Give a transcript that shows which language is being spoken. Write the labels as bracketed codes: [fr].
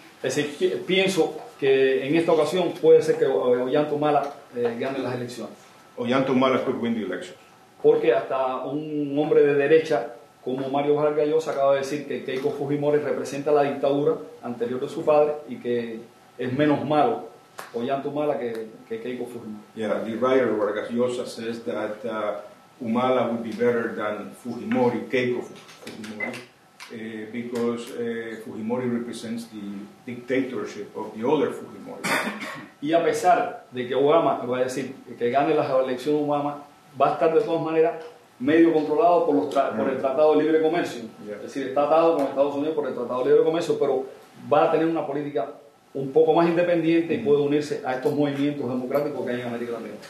[es] Es decir, pienso que en esta ocasión puede ser que Ollanta Humala gane las elecciones. [en] Ollanta Humala could win the elections. [es] Porque hasta un hombre de derecha como Mario Vargas Llosa acaba de decir que Keiko Fujimori representa la dictadura anterior de su padre y que es menos malo Ollanta Humala que Keiko Fujimori. [en] Yeah, the writer Vargas Llosa says that Humala would be better than Fujimori, Keiko Fujimori, because Fujimori represents the dictatorship of the other Fujimori. [es] Y a pesar de que Obama, voy a decir, que gane las elecciones de Obama, va a estar de todas maneras medio controlado por por el Tratado de Libre Comercio. [en] Yeah. [es] Es decir, está atado con Estados Unidos por el Tratado de Libre Comercio, pero va a tener una política un poco más independiente y puede unirse a estos movimientos democráticos que hay en América Latina.